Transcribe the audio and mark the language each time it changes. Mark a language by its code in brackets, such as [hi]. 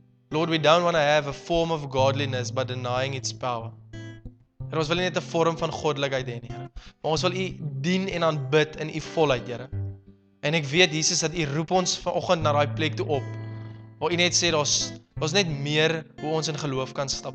[en] Lord, we don't want to have a form of godliness but denying its power. [af] Heer, ons wil nie net 'n vorm van goddelikheid hê nie, Here. Maar ons wil U dien en aanbid in U volheid, Here. En ek weet, Jesus, dat U roep ons vanoggend na daai plek toe op. Waar U net sê, daar's net meer hoe ons in geloof kan stap.